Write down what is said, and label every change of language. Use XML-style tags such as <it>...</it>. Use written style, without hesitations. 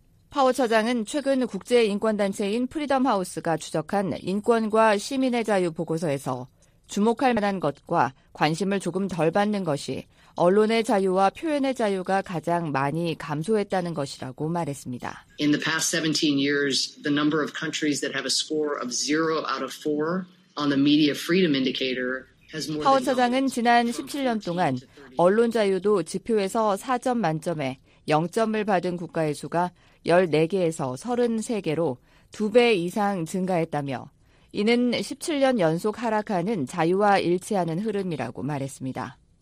<ko>파워 처장은 최근 국제인권단체인 프리덤하우스가 추적한 인권과 시민의 자유 보고서에서 주목할 만한 것과 관심을 조금 덜 받는 것이 언론의 자유와 표현의 자유가 가장 많이 감소했다는 것이라고 말했습니다.</ko> <en>In the past 17 years, the number of countries that have a score of 0 out of 4 on the media freedom indicator has more.</en> <ko>파워 처장은 지난 17년 동안 언론 자유도 지표에서 4점 만점에 0점을 받은 국가의 수가 14개에서 33개로 2배 이상 증가했다며 이는 17년 연속 하락하는 자유와 일치하는 흐름이라고 말했습니다.</ko>